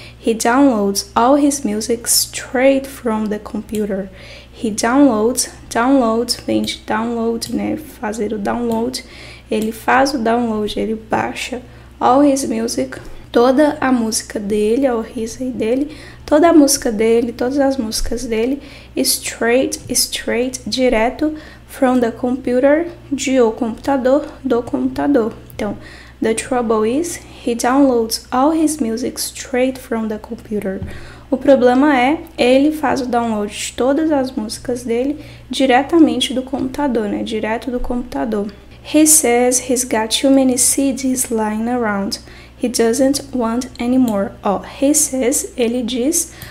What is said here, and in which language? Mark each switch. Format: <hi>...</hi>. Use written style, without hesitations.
<en>He downloads all his music straight from the computer.</en> <pt>He downloads, download, vem de download, né? Fazer o download. Ele faz o download, ele baixa</pt> <en>all his music,</en> <pt>toda a música dele, all his e dele, toda a música dele, todas as músicas dele, straight, direto, from the computer, de o computador, do computador.</pt> <en>Então, the trouble is, he downloads all his music straight from the computer.</en> <pt>O problema é, ele faz o download de todas as músicas dele diretamente do computador, né?</pt> <en>Direto do computador. He says he's got too many CDs lying around. He doesn't want any more. Oh, he says,</en> <pt>ele diz,</pt>